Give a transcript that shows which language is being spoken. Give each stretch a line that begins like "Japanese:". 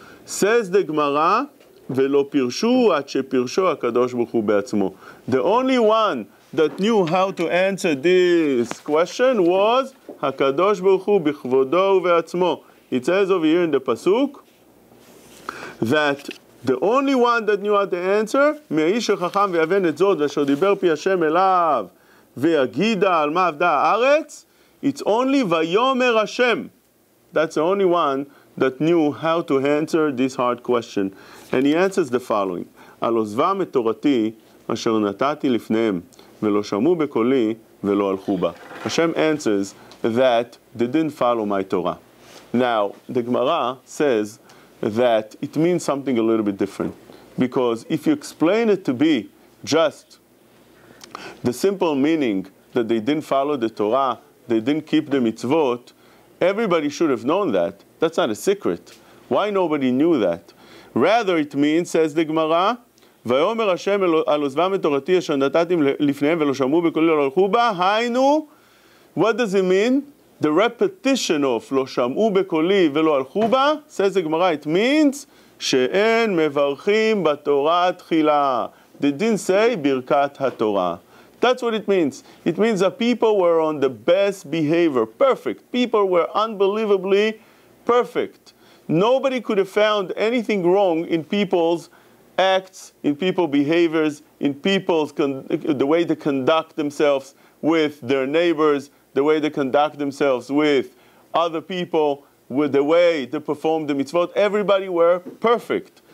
English: Says the Gemara,
Hebrew: ve'lo pirshu at shepirshu HaKadosh Baruch Hu be'atzmo.
English: The only one that knew how to answer this question was HaKadosh Baruch Hu
Hebrew: b'chvodo u'v'atzmo.
English: It says over here in the Pasuk that The only one that knew how to answer,
Hebrew: מאיש החכם ויבן את זאת, ואשר דיבר פי השם אליו, ויגידה על מה עבדה הארץ,
English: it's only
Hebrew: ויומר השם.
English: That's the only one that knew how to answer this hard question. And he answers the following,
Hebrew: על עוזבה מתורתי, אשר נתתי לפניהם, ולא שמעו בקולי, ולא הלכו בה.
English: Hashem answers that they didn't follow my Torah. Now, the Gemara says that it means something a little bit different. Because if you explain it to be just the simple meaning that they didn't follow the Torah, they didn't keep the mitzvot, everybody should have known that. That's not a secret. Why nobody knew that?
Hebrew: Rather, it means, says the Gemara, ויאמר השם על עוזבם את תורתי אשר נתתי לפניהם ולא שמעו בקולי ולא הלכו בה, היינו,
English: what does it mean? The repetition of
Hebrew: לא שמעו בקולי ולא הלכו בה,
English: says the Gemara, it means
Hebrew: שאין מברכים בתורה תחילה.
English: They didn't say ברכת התורה. That's what it means. It means that people were on the best behavior, perfect. People were unbelievably perfect. Nobody could have found anything wrong in people's acts, in people's behaviors, in people's, the way they conduct themselves with their neighbors, the way they conduct themselves with other people, with the way they perform the mitzvot, everybody were perfect.